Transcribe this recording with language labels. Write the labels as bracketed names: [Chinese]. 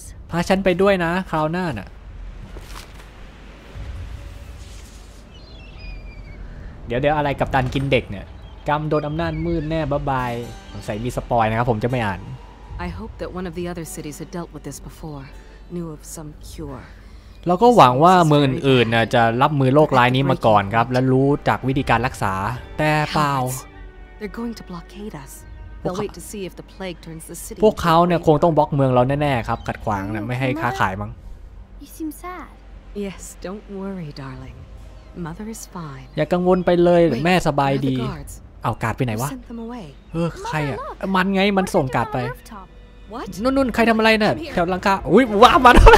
[Thai] พาฉันไปด้วยนะคราวหน้าน่ะเดี๋ยวๆอะไรกับตันกินเด็กเนี่ยกรรมโดนอำนาจมืดแน่บ๊ายบายสงสัยมีสปอยนะครับผมจะไม่อ่าน [English] I hope that one of the other cities had dealt with this before knew of some cure [Thai] เราก็หวังว่าเมืองอื่นๆน่ะจะรับมือโรคร้ายนี้มาก่อนครับและรู้จากวิธีการรักษาแต่เปล่า [English] They're going to blockade us They'll wait to see if the plague turns the city [Thai] พวกเขาเนี่ยคงต้องบล็อกเมืองเราแน่ๆครับขัดขวางน่ะไม่ให้ค้าขายมั้ง [English] You seem sad Yes don't worry darlingMother is fine. [Thai] อย่ากังวลไปเลยแม่สบายดีเอากาดไปไหนวะเออใครอ่ะมันไงมันส่งกาดไปนุ่นๆใครทำอะไรน่ะแถวลังคาอุ้ยว้ามัน